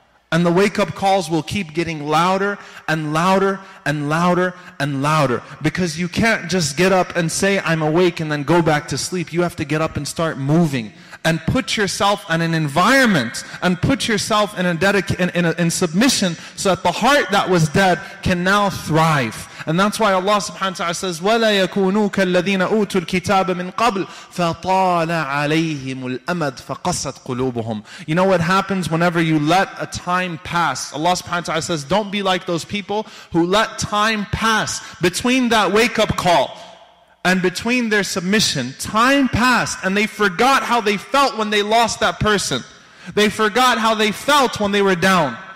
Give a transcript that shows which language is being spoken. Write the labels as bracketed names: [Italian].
[English] And the wake-up calls will keep getting louder and louder and louder and louder. Because you can't just get up and say, I'm awake, and then go back to sleep. You have to get up and start moving. And put yourself in an environment, and put yourself in a submission, so that the heart that was dead can now thrive. And that's why Allah subhanahu wa ta'ala says, [Arabic] وَلَا يَكُونُوا كَالَّذِينَ أُوتُوا الْكِتَابَ مِنْ قَبْلِ فَطَالَ عَلَيْهِمُ الْأَمَدْ فَقَسَتْ قُلُوبُهُمْ. [English] You know what happens whenever you let a time pass? Allah subhanahu wa ta'ala says, don't be like those people who let time pass between that wake-up call and between their submission. Time passed and they forgot how they felt when they lost that person. They forgot how they felt when they were down.